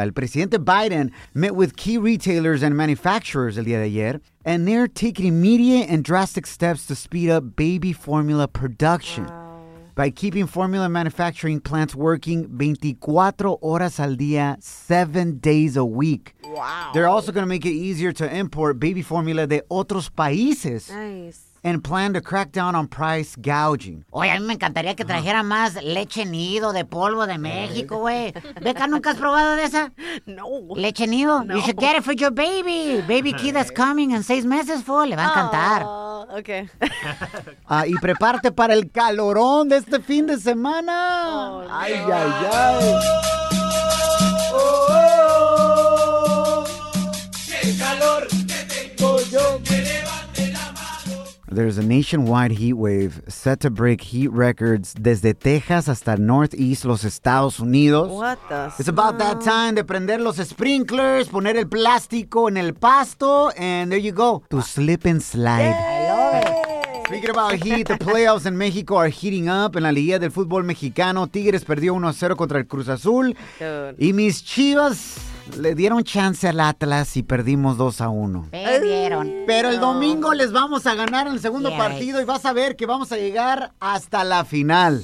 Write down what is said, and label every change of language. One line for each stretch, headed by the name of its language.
English: El presidente Biden met with key retailers and manufacturers el día de ayer, and they're taking immediate and drastic steps to speed up baby formula production. Wow. By keeping formula manufacturing plants working 24 horas al día, 7 days a week. Wow. They're also going to make it easier to import baby formula de otros países. Nice. And plan to crack down on price gouging.
Spanish: Oye, a mí me encantaría que trajera más leche nido de polvo de México, güey. Beca, ¿nunca has probado de esa? No. Leche nido? No.
English: You should get it for your baby. Baby key that's coming in 6 meses, fool.
Spanish: Le va a encantar.
English: Okay.
Spanish: Y prepárate para el calorón de este fin de semana. Oh, ay, no. Ay, ay.
English: There's a nationwide heat wave set to break heat records desde Texas hasta Northeast Los Estados Unidos. What the fuck? It's about that time to prender los sprinklers, poner el plástico en el pasto, and there you go. To slip and slide. Yay! I love it. Speaking about heat, the playoffs in Mexico are heating up.
Spanish: En la Liga del Fútbol Mexicano, Tigres perdió 1-0 contra el Cruz Azul.
English: Dude.
Spanish: Y mis Chivas le dieron chance al Atlas y perdimos 2-1. Perdieron. Pero el domingo les vamos a ganar en el segundo partido y vas a ver que vamos a llegar hasta la final.